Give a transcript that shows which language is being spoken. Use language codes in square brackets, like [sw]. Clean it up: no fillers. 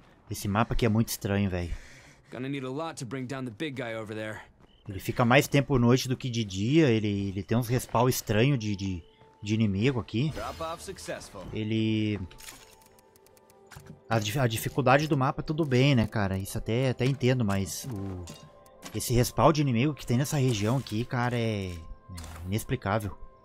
[pt] Esse mapa aqui é muito estranho, velho. [en] Gonna need a lot to bring down the big guy over there. [pt] Ele fica mais tempo à noite do que de dia, ele tem uns respawn estranhos de inimigo aqui. Ele... A dificuldade do mapa tudo bem, né, cara? Isso até entendo, mas o... Esse respawn de inimigo que tem nessa região aqui, cara, é inexplicável.